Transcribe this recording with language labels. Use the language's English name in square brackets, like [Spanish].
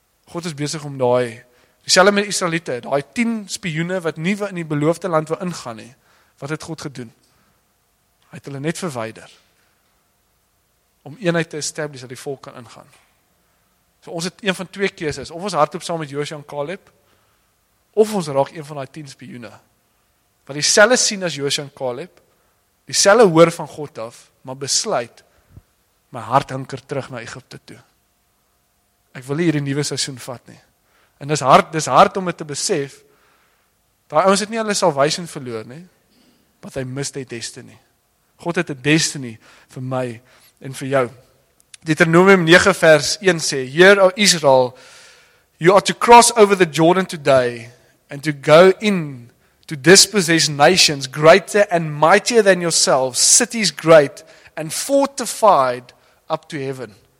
[Afrikaans] God is besig om daai, dieselfde met die Israelite, daai 10 spioene wat nie in die beloofde land wil ingaan nie, wat het God gedoen? Hy het hulle net verwyder, om eenheid te establish dat die volk kan ingaan. So ons het een van twee keuses, of ons hardloop saam met Josia en Caleb, of ons raak een van die 10 spioene, wat dieselfde sien as Josia en Caleb, dieselfde hoor van God af, maar besluit, my hart hinker terug na Egypte toe. Ek wil hier die nuwe seisoen vat nie. En dis hard om het te besef, daar ons het nie hulle salvation verloor nie, but hy mis die destiny. God het die destiny vir my en vir jou. Deuteronomium 9 vers 1 sê, Heer, [English] O Israel, you are to cross over the Jordan today and to go in to dispossess nations greater and mightier than yourself, cities great and fortified up to heaven.